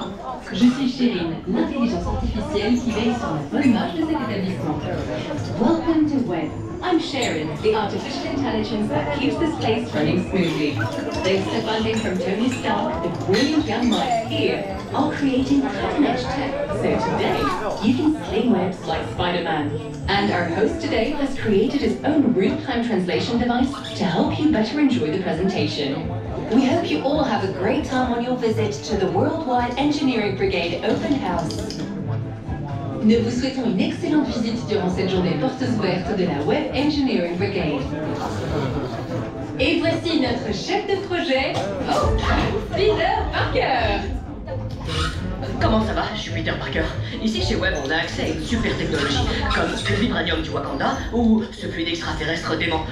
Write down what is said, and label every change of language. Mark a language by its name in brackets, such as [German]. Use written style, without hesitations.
[French] officielle qui veille sur la bonne marche de cet établissement. [English] Welcome to Web. I'm Sharon, the artificial intelligence that keeps this place running smoothly. Thanks to funding from Tony Stark, the brilliant young minds here are creating cutting-edge tech. So today, you can sling webs like Spider-Man. And our host today has created his own real-time translation device to help you better enjoy the presentation. We hope you all have a great time on your visit to the Worldwide Engineering Brigade Open House. [French] Nous vous souhaitons une excellente visite durant cette journée portes ouvertes de la Web Engineering Brigade. Et voici notre chef de projet, Peter Parker. Comment ça va? Je suis Peter Parker. Ici chez Web, on a accès à une super technologie, comme le vibranium du Wakanda ou ce fluide extraterrestre dément.